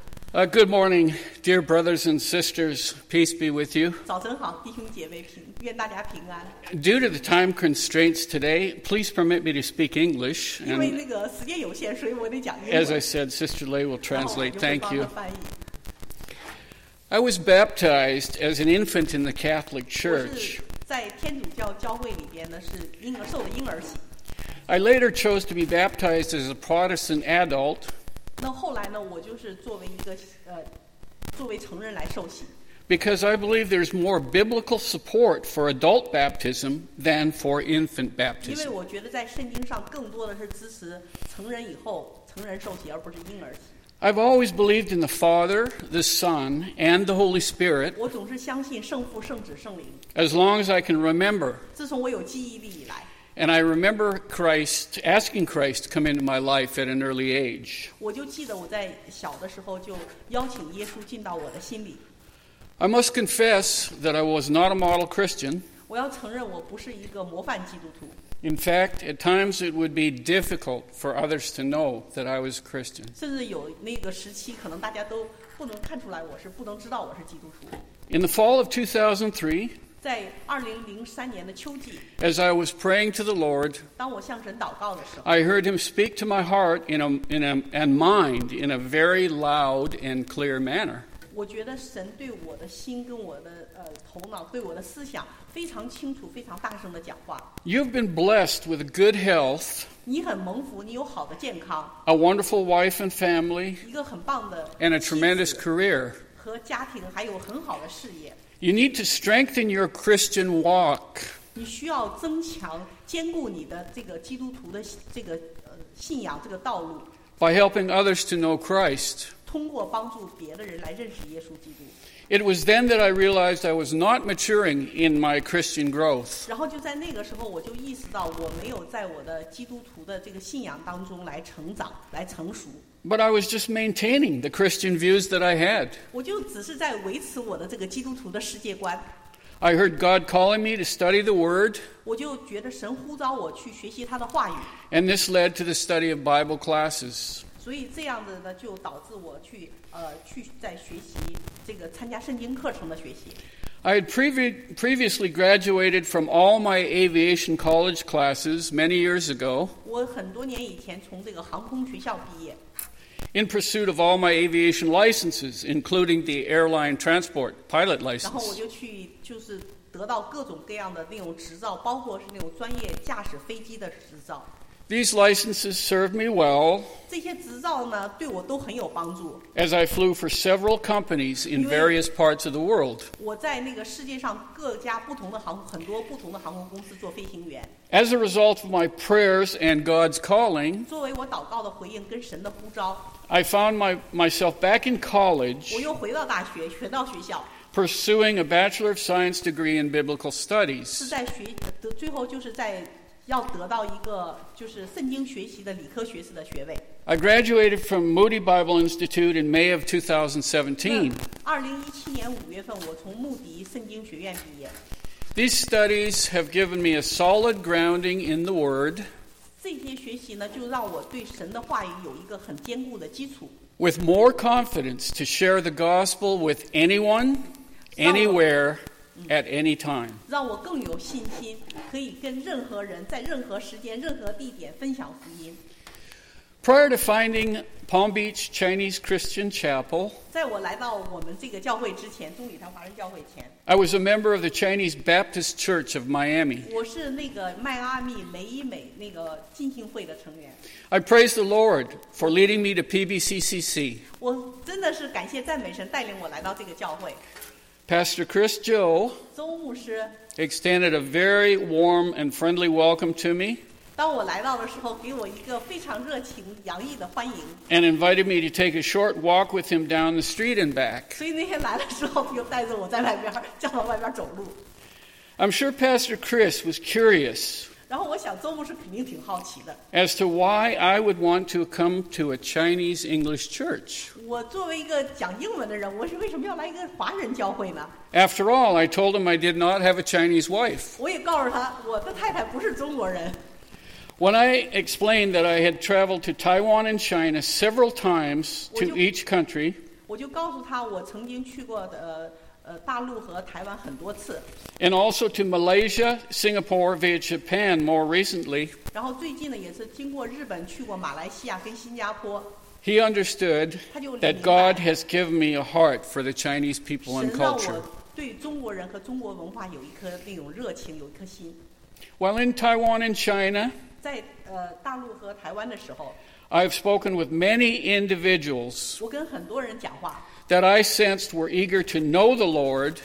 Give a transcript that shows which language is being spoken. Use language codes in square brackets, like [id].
[en] Good morning, dear brothers and sisters. Peace be with you. [zh] 早晨好，弟兄姐妹平，愿大家平安。 [en] Due to the time constraints today, please permit me to speak English. [zh] 因为那个时间有限，所以我得讲英文。 [en] As I said, Sister Lei will translate. Thank you. I was baptized as an infant in the Catholic Church. [zh] 我是在天主教教会里边呢，是婴儿，受了婴儿洗。 [en] I later chose to be baptized as a Protestant adult. [zh] 那后来呢，我就是作为一个作为成人来受洗。 [en] Because I believe there's more biblical support for adult baptism than for infant baptism. [zh] 因为我觉得在圣经上更多的是支持成人以后成人受洗，而不是婴儿洗。 [en] I've always believed in the Father, the Son, and the Holy Spirit. [zh] 我总是相信圣父、圣子、圣灵。 [en] As long as I can remember. [zh] 自从我有记忆力以来。 [en] And I remember Christ, asking Christ to come into my life at an early age. [zh] 我就记得我在小的时候就邀请耶稣进到我的心里。 [en] I must confess that I was not a model Christian. [zh] 我要承认我不是一个模范基督徒。 [en] In fact, at times it would be difficult for others to know that I was a Christian. [zh] 甚至有那个时期可能大家都不能看出来我是，不能知道我是基督徒。 [en] In the fall of 2003, [zh] 在2003年的秋季 [en] ，As I was praying to the Lord， [zh] 当我向神祷告的时候 [en] ，I heard Him speak to my heart and mind in a very loud and clear manner。 [zh] 我觉得神对我的心、跟我的头脑、对我的思想非常清楚、非常大声的讲话。 [en] You've been blessed with good health。 [zh] 你很蒙福，你有好的健康。 [en] A wonderful wife and family。 [zh] 一个很棒的。 [en] And a tremendous career。 [zh] 和家庭还有很好的事业。 [en] You need to strengthen your Christian walk. [zh] 你需要增强坚固你的这个基督徒的这个信仰这个道路。 [en] By helping others to know Christ. [zh] 通过帮助别的人来认识耶稣基督。 [en] It was then that I realized I was not maturing in my Christian growth. [zh] 然后就在那个时候，我就意识到我没有在我的基督徒的这个信仰当中来成长，来成熟。 [en] But I was just maintaining the Christian views that I had. [zh] 我就只是在维持我的这个基督徒的世界观。 [en] I heard God calling me to study the Word. [zh] 我就觉得神呼召我去学习他的话语。 [en] And this led to the study of Bible classes. [zh] 所以这样子呢，就导致我去去在学习这个参加圣经课程的学习。 [en] I had previously graduated from all my aviation college classes many years ago. [zh] 我很多年以前从这个航空学校毕业。 [en] In pursuit of all my aviation licenses, including the airline transport pilot license. [zh] 然后我就去就是得到各种各样的那种执照，包括是那种专业驾驶飞机的执照。 [en] These licenses served me well. [zh] 这些执照呢，对我都很有帮助。 [en] As I flew for several companies in various parts of the world. [zh] 我在那个世界上各家不同的航很多不同的航空公司做飞行员。 [en] As a result of my prayers and God's calling. [zh] 作为我祷告的回应跟神的呼召。 [en] I found myself back in college. [zh] 我又回到大学，学到学校。 [en] Pursuing a Bachelor of Science degree in Biblical Studies. [zh] 是在学的最后就是在。要得到一个就是圣经学习的理科学士的学位。 [en] I graduated from Moody Bible Institute in May of 2017. [zh] 2017年5月份我从穆迪圣经学院毕业。 [en] These studies have given me a solid grounding in the Word. [zh] 这些学习呢就让我对神的话语有一个很坚固的基础。 [en] With more confidence to share the gospel with anyone, anywhere, at any time. [zh] 让我更有信心可以跟任何人在任何时间任何地点分享福音。 [en] Prior to finding Palm Beach Chinese Christian Chapel, [zh] 在我来到我们这个教会之前，中理堂华人教会前， [en] I was a member of the Chinese Baptist Church of Miami. [zh] 我是那个迈阿密雷伊美那个浸信会的成员。 [en] I praise the Lord for leading me to PBCCC. [zh] 我真的是感谢赞美神带领我来到这个教会。 [en] Pastor Chris Joe, [zh] 周牧师。 [en] Extended a very warm and friendly welcome to me. [zh] 当我来到的时候，给我一个非常热情洋溢的欢迎。 [en] And invited me to take a short walk with him down the street and back. [zh] 所以那天来的时候，又带着我在外边，叫到外边走路。 [en] I'm sure Pastor Chris was curious. [zh] 然后我想周牧师肯定挺好奇的。 [en] As to why I would want to come to a Chinese English church. [zh] 我作为一个讲英文的人，我是为什么要来一个华人教会呢？ [en] After all, I told him I did not have a Chinese wife. [zh] 我也告诉他，我的太太不是中国人。 [en] When I explained that I had traveled to Taiwan and China several times to each country, [zh] 我就告诉他我曾经去过的大陆和台湾很多次。 [en] And also to Malaysia, Singapore via Japan more recently. [zh] 然后最近呢，也是经过日本去过马来西亚跟新加坡。 [en] He understood that God has given me a heart for the Chinese people and culture. [zh] 神让我对中国人和中国文化有一颗那种热情，有一颗心。 [en] While in Taiwan and China, [zh] 在大陆和台湾的时候， [en] I have spoken with many individuals. [zh] 我跟很多人讲话。 [en] That I sensed were eager to know the Lord.